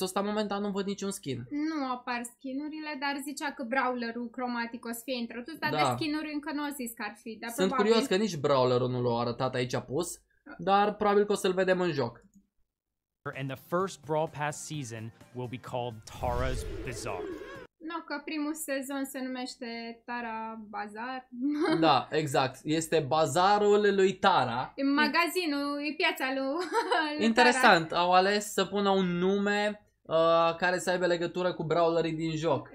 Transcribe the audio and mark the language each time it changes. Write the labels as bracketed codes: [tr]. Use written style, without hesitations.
[ro] Ăsta momentan nu văd niciun skin. Nu apar skin-urile, dar zicea că brawlerul cromatic o să fie introdus, dar da, de skin-uri încă nu o zis că ar fi. Dar sunt curios că nici brawlerul nu l-a arătat aici pus, dar probabil că o să-l vedem în joc. [en] And the first Brawl Pass season will be called Tara's Bazaar. [ro] No, că primul sezon se numește Tara Bazar. Da, exact. Este bazarul lui Tara. E magazinul, e piața lui Tara. Interesant, au ales să pună un nume care să aibă legătură cu brawlerii din joc.